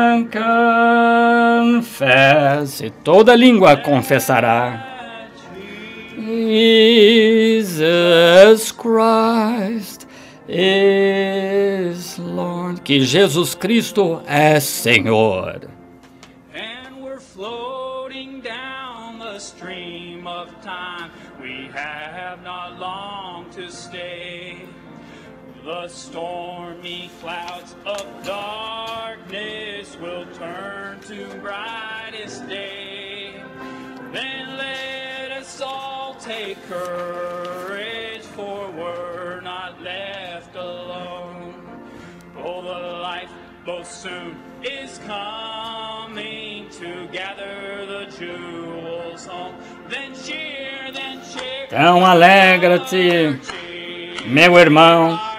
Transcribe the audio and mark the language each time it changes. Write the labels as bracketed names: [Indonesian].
[Portuguese] Confesse, toda língua confessará. [English] Jesus Christ is Lord. [Portuguese] Que Jesus Cristo é Senhor. [English] And we're floating down the stream of time. We have not long to stay. The stormy clouds of darkness will turn to brightest day. Then let us all take courage, for we're not left alone. Oh, the light most soon is coming to gather the jewels home. Then cheer, then cheer. [Portuguese] Então alegra-te, meu irmão.